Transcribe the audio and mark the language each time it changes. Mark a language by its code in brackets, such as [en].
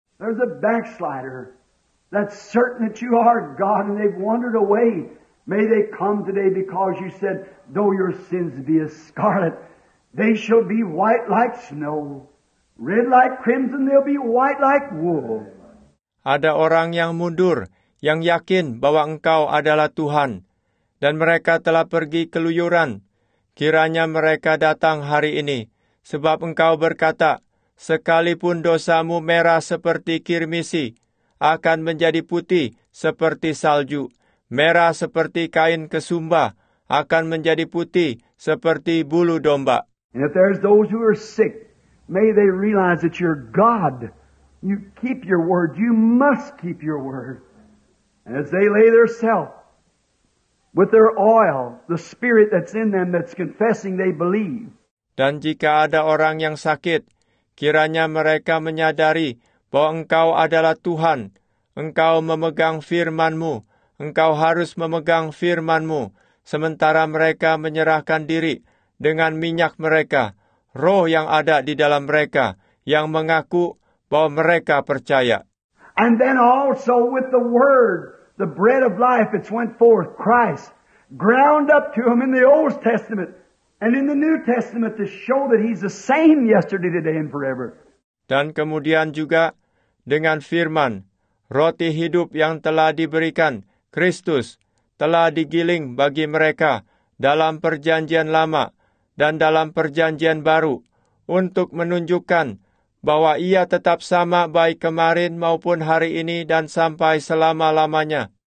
[en] There's a backslider that's certain that you are God and they've wandered away. May they come today because you said, though your sins be as scarlet, they shall be white like snow. Red like crimson, they'll be white like wool. [id] Ada orang yang mundur, yang yakin bahwa engkau adalah Tuhan. Dan mereka telah pergi keluyuran. Kiranya mereka datang hari ini. Sebab engkau berkata, sekalipun dosamu merah seperti kirmisi, akan menjadi putih seperti salju. Merah seperti kain kesumba, akan menjadi putih seperti bulu domba. [en] And if there's those who are sick, may they realize that you're God. You keep your word. You must keep your word. And as they lay their self with their oil, the spirit that's in them that's confessing they believe. [id] Dan jika ada orang yang sakit, kiranya mereka menyadari bahwa engkau adalah Tuhan. Engkau memegang firman-Mu. Engkau harus memegang firman-Mu. Sementara mereka menyerahkan diri dengan minyak mereka, roh yang ada di dalam mereka, yang mengaku bahwa mereka percaya. [en] And then also with the word, the bread of life, it's went forth, Christ, ground up to him in the Old Testament. And in the New Testament to show that he's the same yesterday, today, and forever. [id] Dan kemudian juga dengan firman, roti hidup yang telah diberikan, Kristus, telah digiling bagi mereka dalam perjanjian lama dan dalam perjanjian baru untuk menunjukkan bahwa ia tetap sama baik kemarin maupun hari ini dan sampai selama-lamanya.